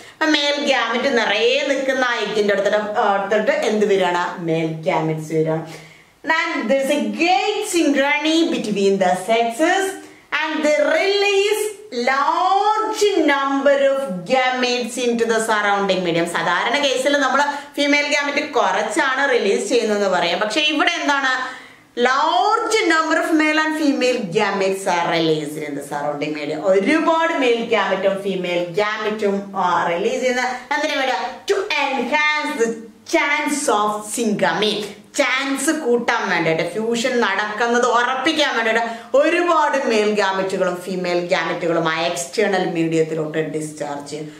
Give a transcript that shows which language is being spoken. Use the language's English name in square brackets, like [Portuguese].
[Malayalam] അപ്പൊ mail gamut നിറയെ നിൽക്കുന്ന ആ എഗ്ഗിന്റെ അടുത്തോട്ട് എന്ത് വരികയാണ്, മെയിൽ ഗ്യാമറ്റ്സ് വരികയാണ്. [English] There is a great synchrony between the sexes and the release large number of gametes into the surrounding medium. [Malayalam] സാധാരണ കേസിൽ നമ്മൾ ഫീമെയിൽ ഗാമറ്റ് കുറച്ചാണ് റിലീസ് ചെയ്യുന്നതെന്ന് പറയാം, പക്ഷെ ഇവിടെ എന്താണ്, [English] large number of male and female gametes are released in the surrounding medium. [Malayalam] ഒരുപാട് മെയിൽ ഗ്യാമറ്റും ഫീമെയിൽ ഗ്യാമറ്റും റിലീസ് ചെയ്യുന്ന എന്തിനു വേണ്ടി, [English] To enhance the chance of syngamy. [Malayalam] Chance കൂട്ടാൻ വേണ്ടിട്ട്, ഫ്യൂഷൻ നടക്കുന്നത് ഉറപ്പിക്കാൻ വേണ്ടിട്ട് ഒരുപാട് മെയിൽ ഗ്യാമറ്റുകളും ഫീമെയിൽ ഗ്യാമറ്റുകളും ആ എക്സ്റ്റേണൽ മീഡിയത്തിലോട്ട് ഡിസ്ചാർജ് ചെയ്യും.